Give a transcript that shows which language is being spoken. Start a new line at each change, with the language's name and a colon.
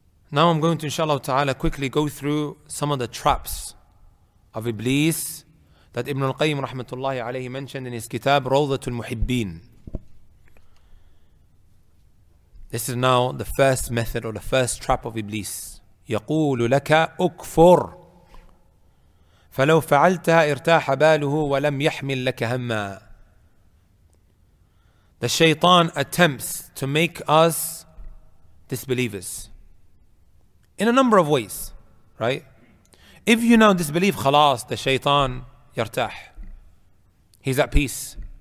English: Now I'm going to, inshallah ta'ala, quickly go through some of the traps of Iblis that Ibn al-Qayyim rahmatullahi alayhi mentioned in his kitab, Rawdatul Muhibbin. This is now the first method or the first trap of Iblis.
Arabic: يقول لك أكفر فلو فعلتها ارتاح باله ولم يحمل لك هما.
English: The shaitan attempts to make us disbelievers in a number of ways, right? If you now disbelieve,
Arabic: خلاص,
English: the shaitan
Arabic: يرتاح.
English: He's at peace.